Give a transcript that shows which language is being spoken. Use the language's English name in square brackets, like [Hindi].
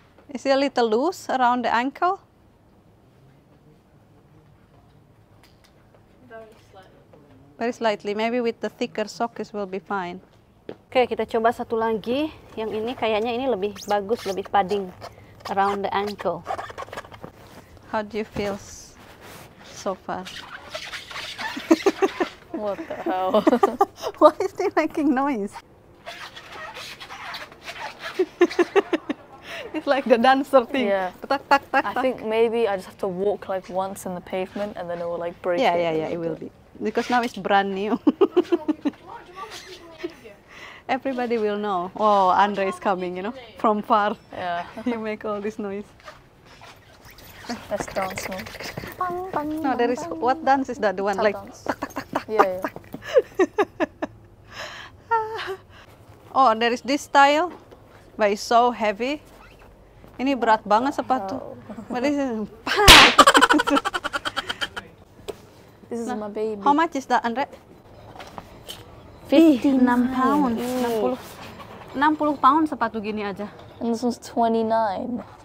[English] Is it a little loose around the ankle? Very slightly. Maybe with the thicker socks will be fine. [Indonesian] Oke, kita coba satu lagi. Yang ini kayaknya ini lebih bagus, lebih padding. [English] Around the ankle. How do you feel so far? What the hell? Why is he making noise? It's like the dancer thing. Yeah. Tak, tak, tak, tak. I think maybe I just have to walk like once in the pavement and then it will like break. Yeah, yeah, yeah, it will be. Because now it's brand new. Everybody will know. Oh, Andre is coming, you know, from far. Yeah. You make all this noise. Let's dance now. No, there is, what dance is that? The one like, tak, tak, tak, tak. Yeah, yeah. Oh, there is this style, but it's so heavy. [Indonesian] Ini berat banget sepatu. [English] But this is, this is my baby. How much is that, Andre? 59 [Indonesian] pounds. 60 pounds sepatu gini aja. [English] And this one's 29.